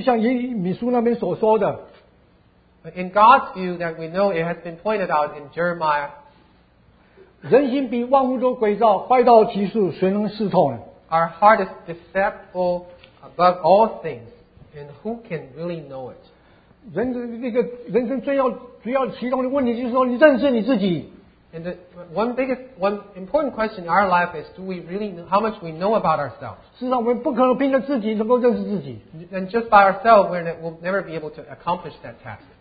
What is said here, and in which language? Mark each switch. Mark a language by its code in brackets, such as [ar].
[zh] 但是从神的眼光来看，我们就像耶利米书那边所说的。 [en] In God's view, that we know it has been pointed out in Jeremiah. [zh] 人心比万物都诡诏，坏到极处，谁能视透呢？ [en] Our heart is deceitful above all things, and who can really know it? [zh] 人生最要其中的问题就是说，你认识你自己。 [en] And one important question in our life is, do we really know how much we know about ourselves? [zh] 事实上，我们不可能凭着自己能够认识自己。 [en] And just by ourselves, we'll never be able to accomplish that task.